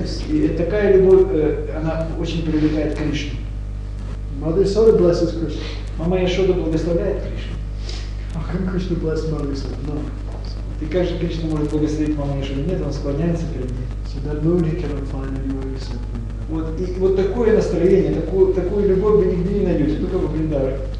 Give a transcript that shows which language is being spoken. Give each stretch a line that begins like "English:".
Russian: И такая любовь, она очень привлекает Кришну.
English: Mother Yashoda blesses Krishna.
Russian: Мама Яшода благословляет Кришну.
English: How can Krishna bless Mother Yashoda? No.
Russian: Ты как же Кришна может благословить маму Яшоду? Нет, он склоняется перед ней.
English: So that mood he cannot find anywhere except.
Russian: Вот, и вот такое настроение, такую любовь вы нигде не найдете, только в Бриндаве.